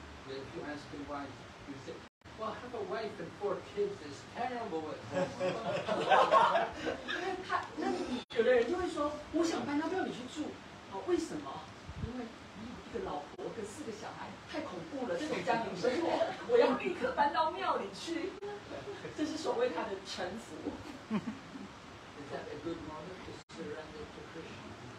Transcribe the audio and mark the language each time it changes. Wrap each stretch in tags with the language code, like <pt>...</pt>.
<en>And if you ask your wife, you say, well, I have a wife and four kids, it's terrible at home.</en> <zh>有的人就会说，我想搬到庙里去住，啊，为什么？因为一个老婆跟四个小孩太恐怖了，这种家庭生活，我要立刻搬到庙里去。这是所谓他的臣服。</zh> <en>Is that a good moment to surrender to Krishna?</en>